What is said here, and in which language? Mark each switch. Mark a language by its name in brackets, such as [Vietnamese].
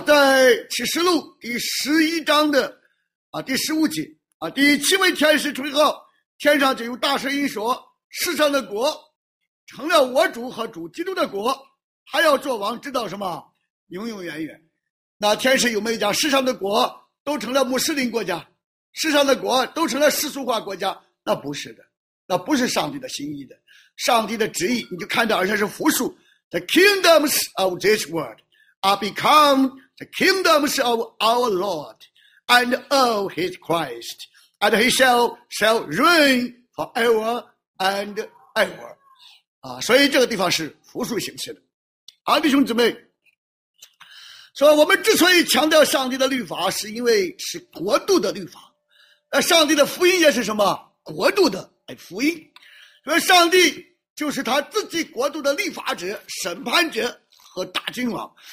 [Chinese] 在启示录第十一章的啊第十五节啊，第七位天使吹号，天上就有大声音说，世上的国成了我主和主基督的国，他要做王，知道什么永永远远。那天使有没有讲，世上的国都成了穆斯林国家，世上的国都成了世俗化国家？那不是的，那不是上帝的心意的。上帝的旨意你就看到，而且是复数， [English] The kingdoms of this world are become the kingdoms of our Lord and of his Christ, and he shall reign forever and ever。 [Chinese] 啊，所以这个地方是复数形式的。好，弟兄姊妹，所以我们之所以强调上帝的律法，是因为是国度的律法。那上帝的福音也是什么？国度的福音。所以上帝就是他自己国度的立法者、审判者和大君王。